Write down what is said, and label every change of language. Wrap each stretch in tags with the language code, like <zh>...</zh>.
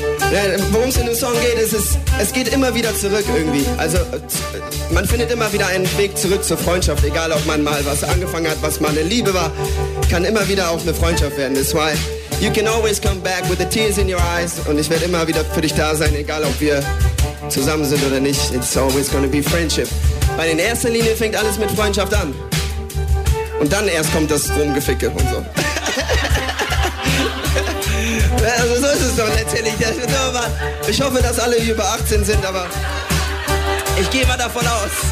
<de>Ja, worum es in dem Song geht, es geht immer wieder zurück irgendwie. Also man findet immer wieder einen Weg zurück zur Freundschaft, egal ob man mal was angefangen hat, was mal eine Liebe war, kann immer wieder auch eine Freundschaft werden.</de> <en>That's why you can always come back with the tears in your eyes.</en> <de>Und ich werde immer wieder für dich da sein, egal ob wir zusammen sind oder nicht.</de> <en>It's always gonna be friendship.</en> <de>Weil in erster Linie fängt alles mit Freundschaft an. Und dann erst kommt das Rumgeficke und so. Also so ist es doch letztendlich. Ich hoffe, dass alle hier über 18 sind, aber ich gehe mal davon aus.</de>